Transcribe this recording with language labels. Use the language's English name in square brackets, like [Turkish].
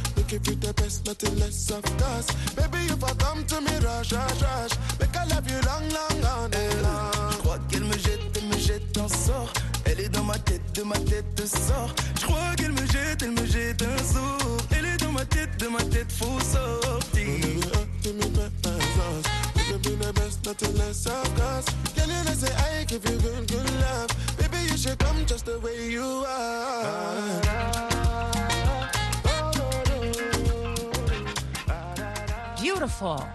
[English] Give you the best, nothing less of us. Baby, you've come to me, rush, rush, rush. Make I love you long, long, long, long. [French] Je crois qu'elle me jette, un sort. Elle est dans ma tête, sort. Je crois qu'elle me jette, un sort. Elle est dans ma tête, faut sortir. [English] Give me the best, give me the best, nothing less of us. Can you not say I give you good, good love? Baby, you should come just the way you are. Beautiful.